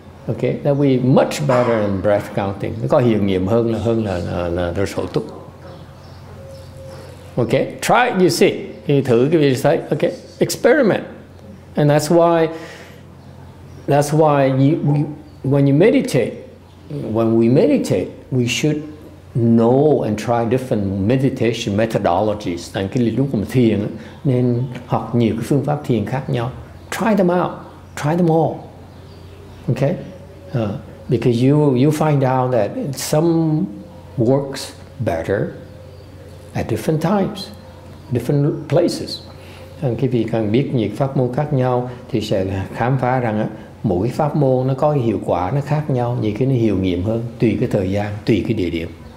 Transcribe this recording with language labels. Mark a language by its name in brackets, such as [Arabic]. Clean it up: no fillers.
[English] Okay, that would be much better than breath counting. [Vietnamese] Nó có hiệu nghiệm hơn là đối sổ túc. [English] Okay, try it, you see. [Vietnamese] Thì thử cái việc thấy. [English] Okay, experiment. And that's why when we meditate, we should know and try different meditation methodologies. [Vietnamese] Tại cái lúc mà thiền nên học nhiều cái phương pháp thiền khác nhau. [English] Try them out. Try them all. Okay. Because you find out that some works better at different times, different places. [Vietnamese] And khi vị càng biết nhiều pháp môn khác nhau thì sẽ khám phá rằng mỗi pháp môn nó có hiệu quả nó khác nhau, nhiều cái nó hiệu nghiệm hơn tùy cái thời gian, tùy cái địa điểm.